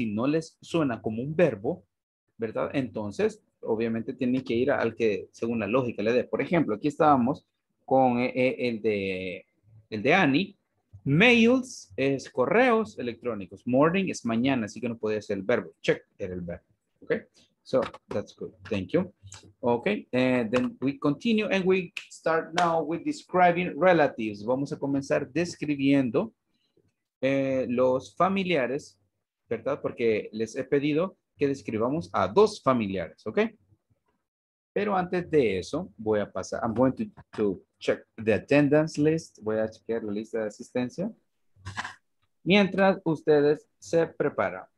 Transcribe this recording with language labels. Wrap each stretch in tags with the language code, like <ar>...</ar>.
<es>Si no les suena como un verbo, ¿verdad? Entonces, obviamente tienen que ir al que según la lógica le dé. Por ejemplo, aquí estábamos con el de Annie. Mails es correos electrónicos. Morning es mañana, así que no podía ser el verbo.</es> <en>Check</en> <es>era el verbo.</es> <en>Okay, so that's good. Thank you. Okay, and then we continue and we start now with describing relatives.</en> <es>Vamos a comenzar describiendo los familiares, ¿verdad? Porque les he pedido que describamos a dos familiares, okay? Pero antes de eso, voy a pasar.</es> <en>I'm going to check the attendance list.</en> <es>Voy a chequear la lista de asistencia. Mientras ustedes se preparan.</es>